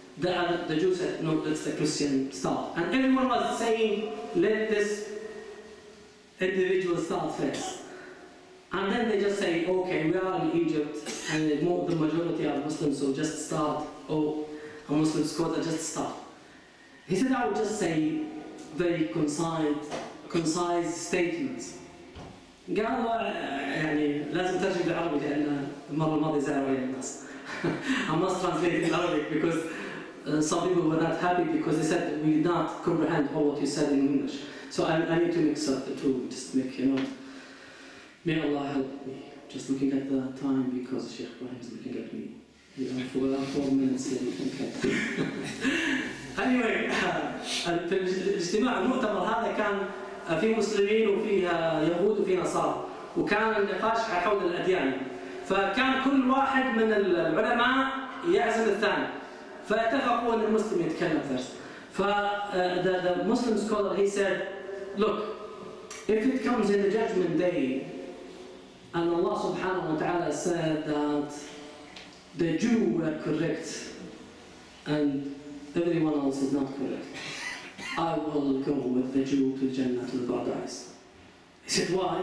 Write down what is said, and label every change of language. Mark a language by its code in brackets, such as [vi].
[en] The Jew said, no, let's the Christian start. And everyone was saying, let this individual start first. And then they just say, okay, we are in Egypt, and the majority are Muslims, so just start. Oh, a Muslim scholar, just start. He said, I would just say very concise statements. [ar] قال الله يعني لازم ترجم بالعربي لأن المرة الماضية زعلوا الناس. [en] I must translate in Arabic because some people were not happy because they said we did not comprehend all what you said in English. So I need to mix up the two, just make, you know. May Allah help me. Just looking at the time because Sheikh Ibrahim is looking at me. You know, for about 4 minutes here, you can cut. [ar] Anyway, الاجتماع المؤتمر هذا كان في مسلمين وفيها يهود وفي نصارى وكان النقاش حول الأديان فكان كل واحد من العلماء يعزم الثاني فاتفقوا أن المسلم يتكلم فرس [en] The Muslim scholar, he said, look, if it comes in the judgment day, and Allah subhanahu wa ta'ala said that the Jew were correct, and everyone else is not correct, I will go with the Jew to Jannah to the Paradise. He said, why?